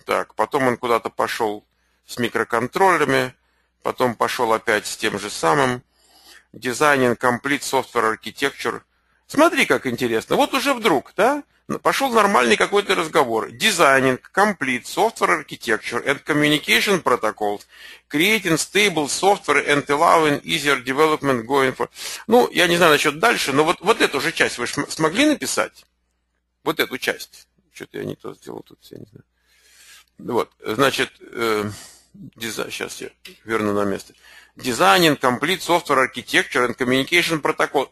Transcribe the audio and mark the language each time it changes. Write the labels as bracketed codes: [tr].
[ru] Так, потом он куда-то пошел с микроконтроллерами, потом пошел опять с тем же самым. [en] Designing complete software architecture. [ru] Смотри, как интересно. Вот уже вдруг, да, пошел нормальный какой-то разговор. [en] Designing complete software architecture and communication protocols. Creating stable software and allowing easier development going forward. [ru] Ну, я не знаю насчет дальше, но вот эту же часть вы же смогли написать? Вот эту часть. Что-то я не то сделал тут, я не знаю. Вот, значит... Сейчас я верну на место. [en] Designing complete software architecture and communication protocol.